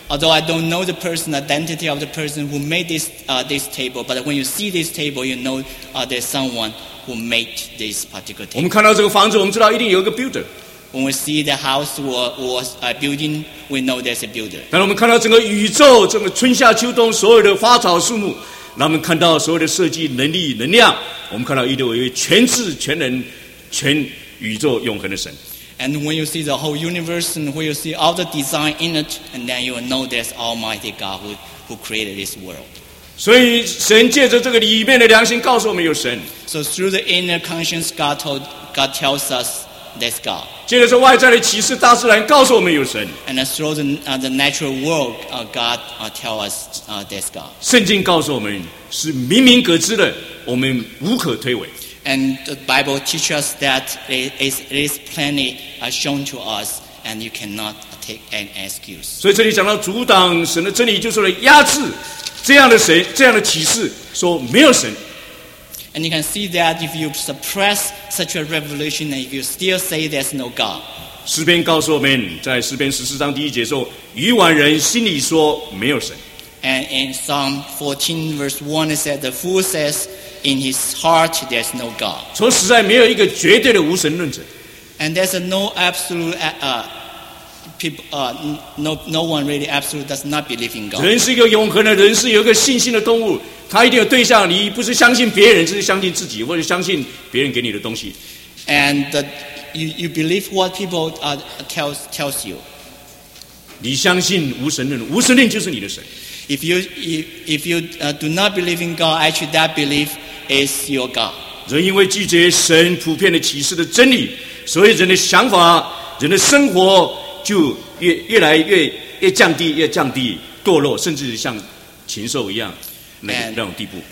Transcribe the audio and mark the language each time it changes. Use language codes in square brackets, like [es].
[en] Although I don't know the person identity of the person who made this table, but when you see this table, you know there's someone. Who made this particular table. [zh] 我们看到这个房子，我们知道一定有一个 builder. [en] When we see the house was a building, we know there's a builder. [zh] 但我们看到整个宇宙，整个春夏秋冬所有的花草树木，那我们看到所有的设计能力能量，我们看到一定有一位全智全能、全宇宙永恒的神。 [en] And when you see the whole universe and when you see all the design in it, and then you will know there's Almighty God who created this world. [zh] 所以神借着这个里面的良心告诉我们有神。 [en] So through the inner conscience, God tells us there's God. [zh] 借着这外在的启示，大自然告诉我们有神。 [en] And through the natural world, God tells us there's God. [zh] 圣经告诉我们是明明可知的，我们无可推诿。 [en] And the Bible teaches us that it is plainly shown to us, and you cannot take an excuse. [zh] 所以这里讲到阻挡神的真理，就是来压制。这样的神，这样的启示说没有神。 [en] And you can see that if you suppress such a revelation, and if you still say there's no God. [zh] 诗篇告诉我们，在诗篇十四章第一节说，愚顽人心里说没有神。 [en] And in Psalm 14 verse 1, it says the fool says in his heart there's no God. [zh] 从实在没有一个绝对的无神论者。 [en] And there's no absolute people, no one really absolutely does not believe in God. [zh] 人是一个永恒的人，是有一个信心的动物，他一定有对象。你不是相信别人，只是相信自己，或者相信别人给你的东西。 [en] and you believe what people tells you. [zh] 你相信无神论，无神论就是你的神。 [en] If you do not believe in God, actually that belief is your God. [zh] 人因为拒绝神普遍的启示的真理，所以人的想法、人的生活就越来越降低，越降低堕落，甚至像禽兽一样那种地步。